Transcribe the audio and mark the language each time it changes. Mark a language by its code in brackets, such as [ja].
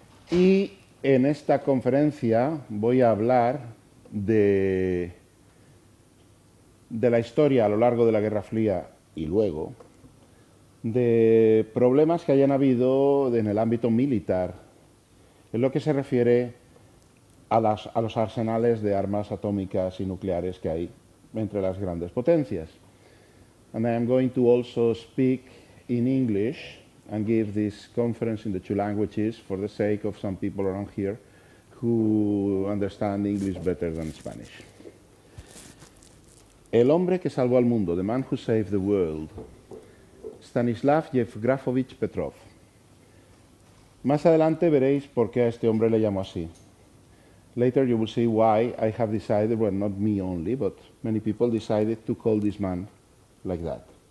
[es] Y en esta conferencia voy a hablar de la historia a lo largo de la Guerra Fría y luego de problemas que hayan habido en el ámbito militar, en lo que se refiere a los arsenales de armas atómicas y nucleares que hay entre las grandes potencias. [en] And I am going to also speak in English and give this conference in the two languages for the sake of some people around here who understand English better than Spanish. [es] El hombre que salvó al mundo, [en] the man who saved the world, [es] Stanislav Yevgrafovich Petrov. Más adelante veréis por qué a este hombre le llamo así. [en] Later you will see why I have decided, well, not me only, but many people decided to call this man like that.